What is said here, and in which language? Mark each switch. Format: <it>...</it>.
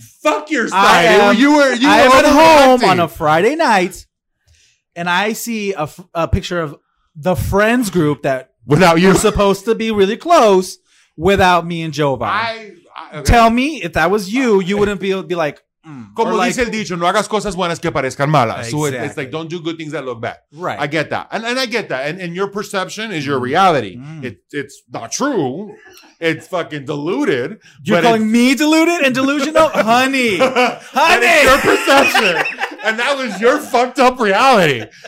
<en>Fuck your side. I am at home on a Friday night and I see a picture of the friends group that without you were supposed to be really close without me and Jovan. Okay. Tell me if that was you, you wouldn't be like,</en> <es>como dice el dicho, no hagas cosas buenas que parezcan malas.</es> <en>Exactly. So it's like, don't do good things that look bad. Right. I get that. And I get that. And your perception is your reality. Mm. It's not true. It's fucking deluded. You're calling me deluded and delusional? Honey. Honey. It's your perception. And that was your fucked up reality.</en>